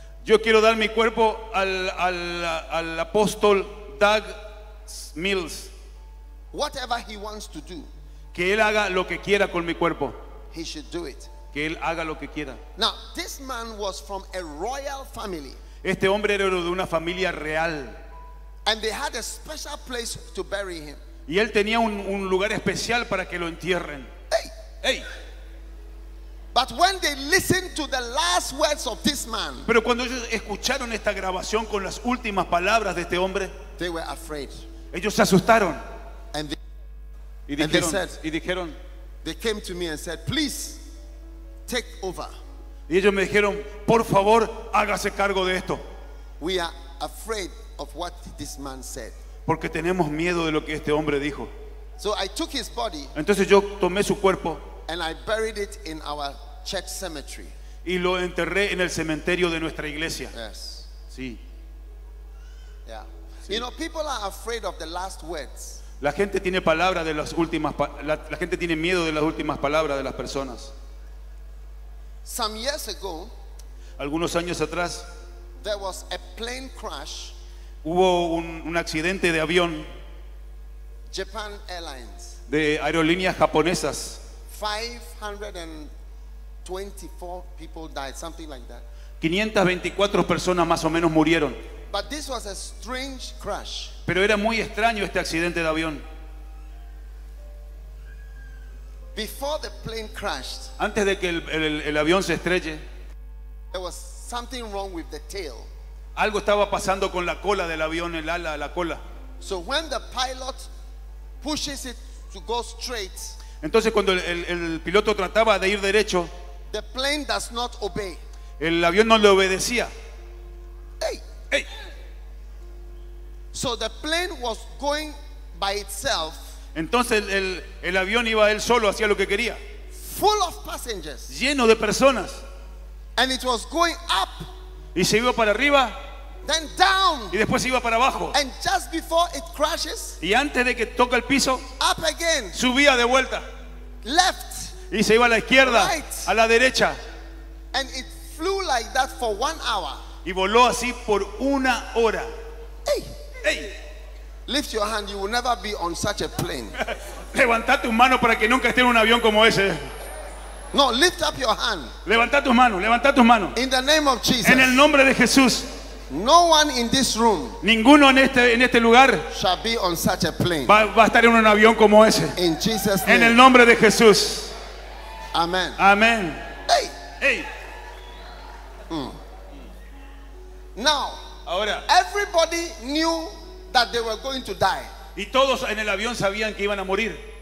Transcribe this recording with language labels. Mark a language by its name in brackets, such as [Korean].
[Spanish] Yo quiero dar mi cuerpo al apóstol Doug Mills. [English] Whatever he wants to do, [Spanish] que él haga lo que quiera con mi cuerpo. [English] He should do it. [Spanish] Que él haga lo que quiera. [English] Now, this man was from a royal family. [Spanish] Este hombre era de una familia real. [English] And they had a special place to bury him. [Spanish] Y él tenía un lugar especial para que lo entierren. Hey. Hey. [English] But when they listened to the last words of this man, [Spanish] pero cuando ellos escucharon esta grabación con las últimas palabras de este hombre, [English] they were afraid. [Spanish] Ellos se asustaron. [English] And [Spanish] dijeron, [English] they came to me and said, please take over. [Spanish] Y ellos me dijeron, por favor, hágase cargo de esto. [English] We are afraid of what this man said. [Spanish] Porque tenemos miedo de lo que este hombre dijo. [English] So I took his body. [Spanish] Entonces yo tomé su cuerpo. [English] And I buried it in our church cemetery. [Spanish] Y lo enterré en el cementerio de nuestra iglesia. [English] Yes. [Spanish] Sí. Yeah. Sí. [English] You know, people are afraid of the last words. [Spanish] La gente tiene palabra de las últimas. La gente tiene miedo de las últimas palabras de las personas. [English] Some years ago, [Spanish] algunos años atrás, [English] there was a plane crash. [Spanish] Hubo un accidente de avión. [English] Japan Airlines. [Spanish] De aerolíneas japonesas. [English] 524 people died, something like that. [Spanish] 524 personas más o menos murieron. [English] But this was a strange crash. [Spanish] Pero era muy extraño este accidente de avión. [English] Before the plane crashed, [Spanish] antes de que el avión se estrelle, [English] there was something wrong with the tail. [Spanish] Algo estaba pasando con la cola del avión, el ala, la cola. [English] So when the pilot pushes it to go straight, [Spanish] entonces cuando el piloto trataba de ir derecho, [English] the plane does not obey. [Spanish] El avión no le obedecía. Hey. Hey. [English] So the plane was going by itself. [Spanish] Entonces el avión iba él solo, hacía lo que quería. [English] Full of passengers. [Spanish] Lleno de personas. [English] And it was going up. [Spanish] Y se iba para arriba. [English] Then down. [Spanish] Y después se iba para abajo. [English] And just before it crashes, [Spanish] y antes de que toque el piso, [English] up again. [Spanish] Subía de vuelta. [English] Left. [Spanish] Y se iba a la izquierda, [English] right. [Spanish] A la derecha. [English] And it flew like that for 1 hour. [Spanish] Y voló así por una hora. Hey. Hey. [English] Lift your hand, you will never be on such a plane. [Spanish] Levanta tu mano para que nunca esté en un avión como ese. [English] No, lift up your hand. [Spanish] Levanta tu mano, levanta tu mano. [English] In the name of Jesus. [Spanish] En el nombre de Jesús. [English] No one in this room. [Spanish] Ninguno en este lugar [English] shall be on such a plane. [Spanish] Va a estar en un avión como ese. [English] In Jesus' name. [Spanish] En el nombre de Jesús. Amen. Amen. Hey. Hey. [English] Now, [Spanish] ahora, [English] everybody knew that they were going to die. [Spanish] Y todos en el avión sabían que iban a morir.